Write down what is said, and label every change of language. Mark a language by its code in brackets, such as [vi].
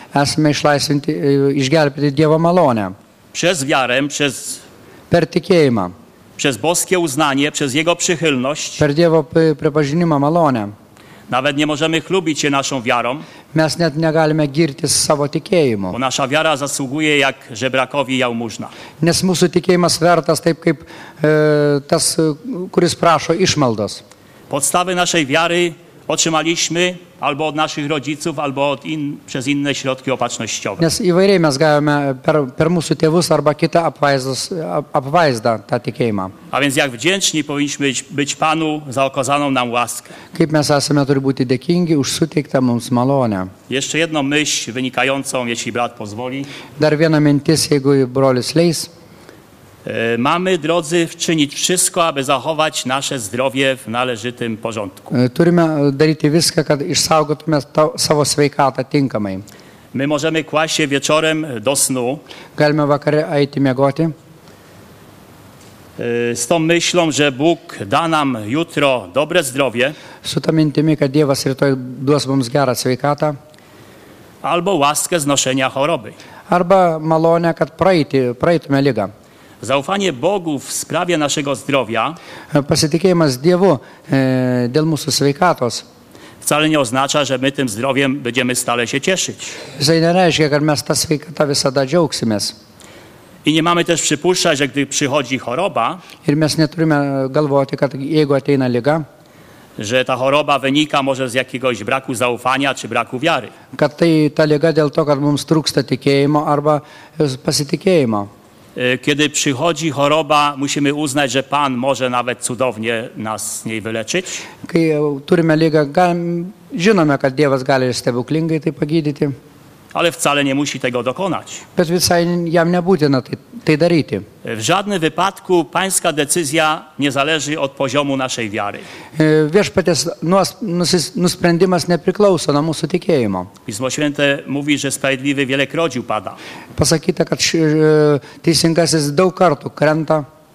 [lt] Esame išlaisvinti, išgelbėti Dievo malonę. [pl] Przez wiarę, przez [lt] per tikėjimą. [pl] Przez boskie uznanie, przez Jego przychylność. [lt] Per Dievo pripažinimą malonę. [pl] Nawet nie możemy chlubić się naszą wiarą. [lt] Mes net negalime girtis savo tikėjimu. [pl] Bo nasza wiara zasługuje jak żebrakowi jałmużna. [lt] Nes mūsų tikėjimas vertas taip kaip tas, kuris prašo išmaldos. [pl] Podstawy naszej wiary otrzymaliśmy albo od naszych rodziców, albo od przez inne środki opatrznościowe. [lt] Nes įvairiai mes gavome per mūsų tėvus arba kitą apvaizdą tą tikėjimą. [pl] A więc jak wdzięczni powinniśmy być Panu za okazaną nam łaskę. [lt] Kaip mes esame turi būti dėkingi už suteiktą mums malonę. [pl] Jeszcze jedną myśl wynikającą, jeśli brat pozwoli. [lt] Dar viena mintis, jeigu brolis leis. [pl] Mamy, drodzy, czynić wszystko, aby zachować nasze zdrowie w należytym porządku. [lt] Turime daryti viską, kad išsaugotume savo sveikatą tinkamai. [pl] My możemy kłaść się wieczorem do snu. [lt] Galime vakare eiti miegoti. [pl] Z tą myślą, że Bóg da nam jutro dobre zdrowie. [lt] Su ta mintimi, kad Dievas rytoj duos mums gerą sveikatą. [pl] Albo łaskę znoszenia choroby. [lt] Arba malonę, kad praeitume ligą. [pl] Zaufanie Bogu w sprawie naszego zdrowia, [lt] pasitikėjimas Dievu dėl mūsų sveikatos, [pl] wcale nie oznacza, że my tym zdrowiem będziemy stale się cieszyć. [lt] Tai nereiškia, kad mes tą sveikatą visada džiaugsimės. [pl] I nie mamy też przypuszczać, że gdy przychodzi choroba, [lt] ir mes neturime galvoti, kad jeigu ateina liga, [pl] że ta choroba wynika może z jakiegoś braku zaufania czy braku wiary. [lt] Kad tai ta liga dėl to, kad mums trūksta tikėjimo arba pasitikėjimo. [pl] Kiedy przychodzi choroba, musimy uznać, że Pan może nawet cudownie nas z niej wyleczyć. [lt] Kai turime ligą, žinome, kad Dievas gali stebuklingai tai pagydyti. [pl] Ale wcale nie musi tego dokonać. [lt] Bet visai jam nebūtina tai daryti. [pl] W żadnym wypadku Pańska decyzja nie zależy od poziomu naszej wiary. [lt] Viešpaties nusprendimas nepriklauso nuo mūsų tikėjimo. [pl] Pismo Święte mówi, że sprawiedliwy wielokroć upada. [lt] Pasakyta, kad teisingasis daug kartų krenta.